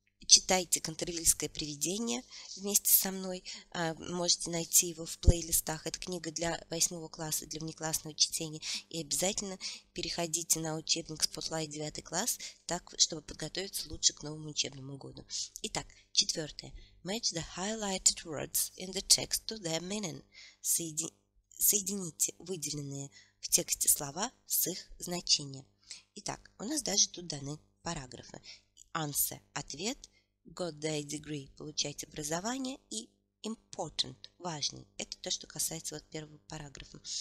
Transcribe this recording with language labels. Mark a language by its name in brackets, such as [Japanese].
[Russian] читайте «Кантервильское привидение» вместе со мной. Можете найти его в плейлистах. Это книга для 8 класса, для внеклассного чтения. И обязательно переходите на учебник Spotlight 9 класс, так, чтобы подготовиться лучше к новому учебному году. Итак, четвертое. [English] Match the highlighted words in the text to their meaning. [Russian] Соедините выделенные в тексте слова с их значением. Итак, у нас даже тут даны параграфы. Answer – ответ, [English] got their degree [Russian] – получать образование, и important – важный. Это то, что касается вот первого параграфа.